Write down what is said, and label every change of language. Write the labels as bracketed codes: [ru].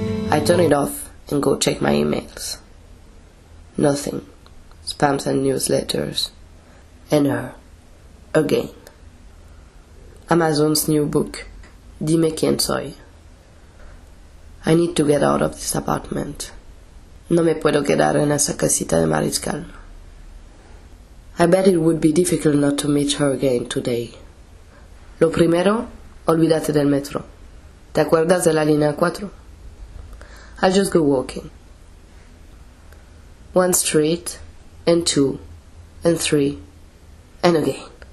[en] I turn it off and go check my emails. Nothing. Spams and newsletters. And her. Again. Amazon's new book. Dime quién soy. I need to get out of this apartment. [es] No me puedo quedar en esa casita de mariscal. [en] I bet it would be difficult not to meet her again today. [es] Lo primero, olvídate del metro. ¿Te acuerdas de la línea 4? [en] I'll just go walking. One street, and two, and three, and again.